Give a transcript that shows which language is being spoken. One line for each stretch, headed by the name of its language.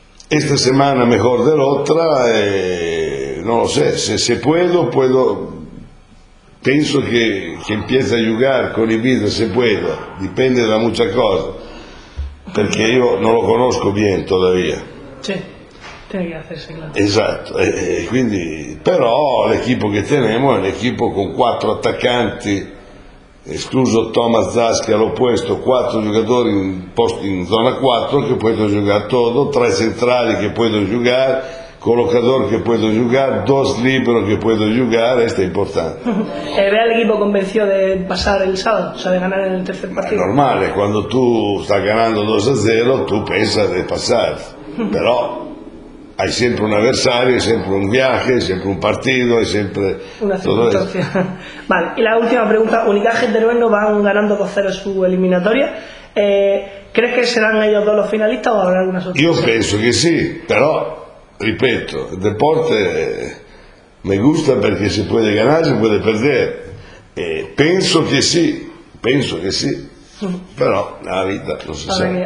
Spanish: Esta semana mejor de la otra, no lo sé, si puedo, pienso que empiece a jugar con Ibiza, si puedo, depende de muchas cosas, porque yo no lo conozco bien todavía. Sí, tiene que hacerse claro.
Italian: Exacto, quindi,
Spanish: pero el equipo que tenemos es un equipo con
Italian: 4 attaccanti, escluso Thomas Zaschi al opuesto, 4 giocatori in zona 4 che possono giocare tutto, 3 centrali che possono giocare, collocatore che possono giocare, 2 libero che possono giocare, questo è importante. E vea l'equipo convenzio di passare il sabato, cioè di ganare nel terzo partito? È normale, quando tu stai ganando 2-0 tu pensi di passare, però hai sempre un avversario, hai sempre un viaje, hai sempre un partito, hai sempre
Spanish: una circunstancia. Vale, y la última pregunta, Unicaja y Teruel no van ganando 2-0 su eliminatoria, ¿crees que serán ellos dos los finalistas o habrá alguna sorpresa? Yo penso que sí, pero
Italian: ripeto,
Spanish: el deporte me gusta porque se puede ganar, se puede perder, penso que sí, pero la vida no se sabe.